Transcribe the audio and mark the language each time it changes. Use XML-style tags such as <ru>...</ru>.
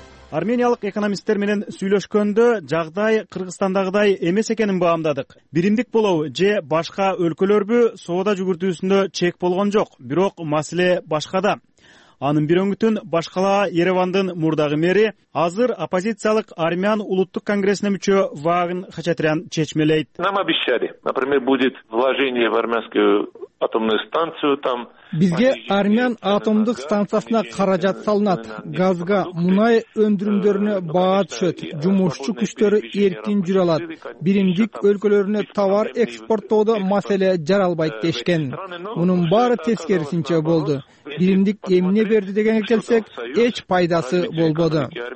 <ky>Армениялык экономисттер менен сүйлөшкөндө жагдай Кыргызстандагыдай эмес экенин баамдадык. Биримдик болобу же башка өлкөлөрбү соода жүгүртүүсүндө чек болгон жок, бирок маселе башкада. Анын бир өңүтүн башкала Еревандын мурдагы мэри, азыр оппозициялык армян улуттук конгрессине мүчө Ваган Хачатрян чечмелейт.</ky> <ru>Нам обещали, например, будет вложение в армянскую атомную станцию там.</ru> <ky>Бизге армян атомдук станциясына каражат салынат, газга, мунай өндүрүмдөрүнө баа түшөт, жумушчу күчтөрү эркин жүрө алат, биримдик өлкөлөрүнө товар экспорттоодо маселе жаралбайт дешкен. Мунун баары тескерисинче болду. Биримдик эмне берди дегенге келсек, эч пайдасы болбоду.</ky>